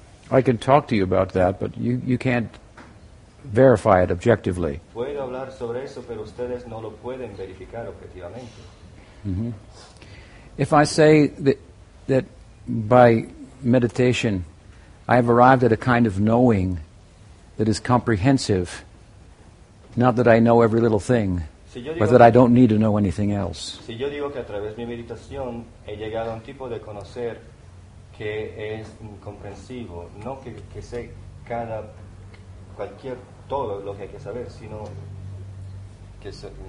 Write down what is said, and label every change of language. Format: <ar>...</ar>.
<en>I can talk to you about that, but you can't verify it objectively.</en> <es>Puedo hablar sobre eso, pero ustedes no lo pueden verificar objetivamente.</es> <en>If I say that by meditation I have arrived at a kind of knowing that is comprehensive, not that I know every little thing,</en> <es>si yo digo</es> <en>but that I don't need to know anything else.</en> <es>Si yo digo que a través de mi meditación he llegado a un tipo de conocer que es comprensivo, no que sé cada cualquier todo lo que hay que saber, sino que sé,</es>